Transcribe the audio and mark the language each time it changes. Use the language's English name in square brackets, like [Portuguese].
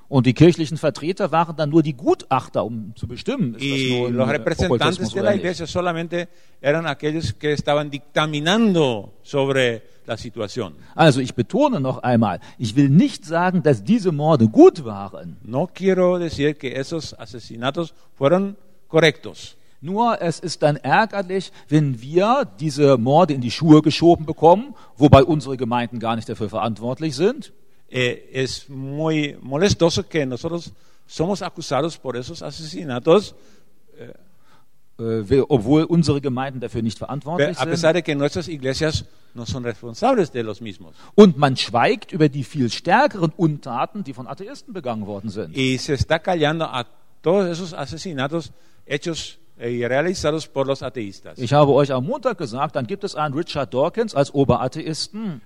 [German] Und die kirchlichen Vertreter waren dann nur die Gutachter, um zu bestimmen, ist [Spanish] y [German] das nur [Spanish] los representantes de la iglesia solamente eran aquellos que estaban dictaminando sobre la situación. [German] Also ich betone noch einmal, ich will nicht sagen, dass diese Morde gut waren. [Spanish] No quiero decir que esos asesinatos fueron correctos. [German] Nur es ist dann ärgerlich, wenn wir diese Morde in die Schuhe geschoben bekommen, wobei unsere Gemeinden gar nicht dafür verantwortlich sind. [Spanish] Es muy molestoso que nosotros somos acusados por esos asesinatos, [German] obwohl unsere Gemeinden dafür nicht verantwortlich sind. [Spanish] A pesar de que nuestras iglesias no son responsables de los mismos. [German] Und man schweigt über die viel stärkeren Untaten, die von Atheisten begangen worden sind. [Spanish] Y se está callando a todos esos asesinatos hechos y realizados por los ateístas. [German] Ich habe euch am Montag gesagt, dann gibt es einen Richard Dawkins als Oberatheisten.